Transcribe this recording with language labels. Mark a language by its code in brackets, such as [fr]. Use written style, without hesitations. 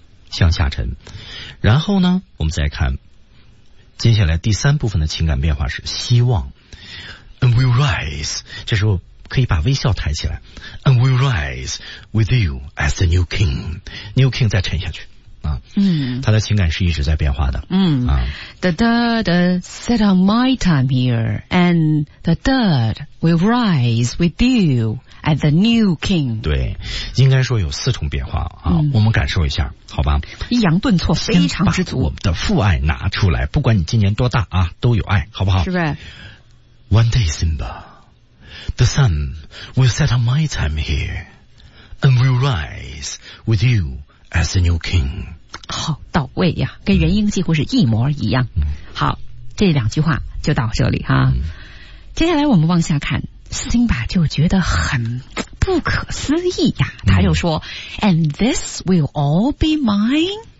[zh] 向下沉，然后呢，我们再看接下来第三部分的情感变化是希望。 [en] and we'll rise. [zh] 这时候可以把微笑抬起来 [en] ，and we'll rise with you as the new king. New king [zh] 再沉下去。嗯，他的情感是一直在变化的。 [en] 嗯啊 ，the dirt set on my time here, and the dirt will rise with you as the new king。 [zh] 对，应该说有四重变化啊、嗯，我们感受一下，好吧？抑扬顿挫非常之足。我们的父爱拿出来，不管你今年多大啊，都有爱，好不好？是不是 [en] ？One day, Simba, the sun will set on my time here, and will rise with you. As a new king， [zh] 好到位呀，跟元英几乎是一模一样。嗯、好，这两句话就到这里哈、啊嗯。接下来我们往下看，辛巴就觉得很不可思议呀，他就说、嗯、： [en] “And this will all be mine.